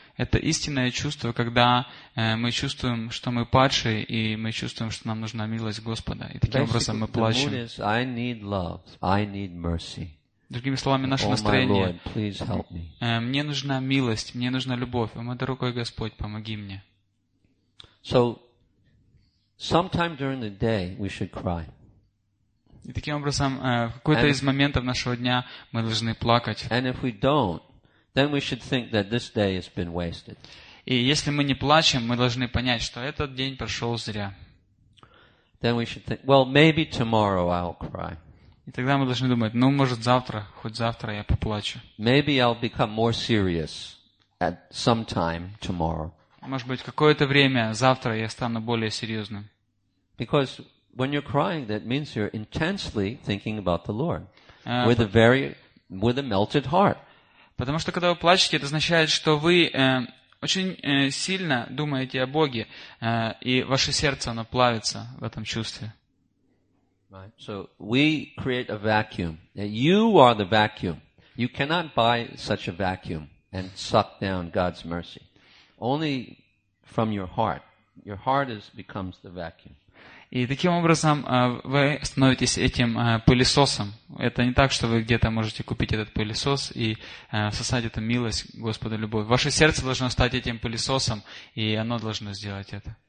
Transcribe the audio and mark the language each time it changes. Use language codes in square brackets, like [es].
[ru] Это истинное чувство, когда мы чувствуем, что мы падшие, и мы чувствуем, что нам нужна милость Господа. И таким образом мы плачем. [en] Basically, the mood is, I need love, I need mercy. [ru] Другими словами, наше настроение. Мне нужна милость, мне нужна любовь. О, мой дорогой Господь, помоги мне. [en] So, sometime during the day we should cry. [ru] И таким образом, в какой-то из моментов нашего дня мы должны плакать. [en] And if we don't, then we should think that this day has been wasted. [ru] И если мы не плачем, мы должны понять, что этот день прошел зря. [en] Then we should think, well, maybe tomorrow I'll cry. [ru] И тогда мы должны думать, ну, может, завтра, хоть завтра я поплачу. [en] Maybe I'll become more serious at some time tomorrow. [ru] Может быть, какое-то время завтра я стану более серьезным. [en] Because when you're crying, that means you're intensely thinking about the Lord. With a melted heart. [ru] Потому что, когда вы плачете, это означает, что вы очень сильно думаете о Боге, и ваше сердце, оно плавится в этом чувстве. [en] Right. So we create a vacuum. You are the vacuum. You cannot buy such a vacuum and suck down God's mercy. Only from your heart. Your heart becomes the vacuum. [ru] И таким образом вы становитесь этим пылесосом. Это не так, что вы где-то можете купить этот пылесос и сосать эту милость Господа любовь. Ваше сердце должно стать этим пылесосом, и оно должно сделать это.